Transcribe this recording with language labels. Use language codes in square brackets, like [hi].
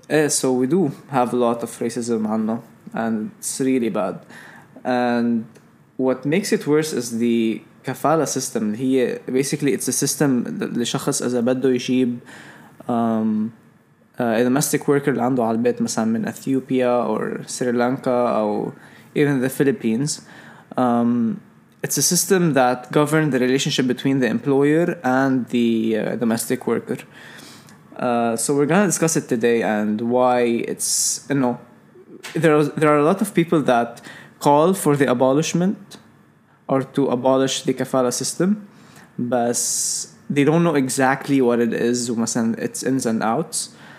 [en] So we do have a lot of racism [ar] عنا, [en] and it's really bad. And what makes it worse is the kafala system. [ar] هي [en] basically it's a system [ar] لشخص إذا بده يجيب [en] a domestic worker [ar] اللي عنده على البيت مثلا من أثيوبيا [en] or [ar] سريلانكا أو [en] even the Philippines. It's a system that governs the relationship between the employer and the domestic worker. So we're going to discuss it today and why it's, you know, there are a lot of people that call for the abolishment or to abolish the kafala system, but they don't know exactly what it is, its ins and outs.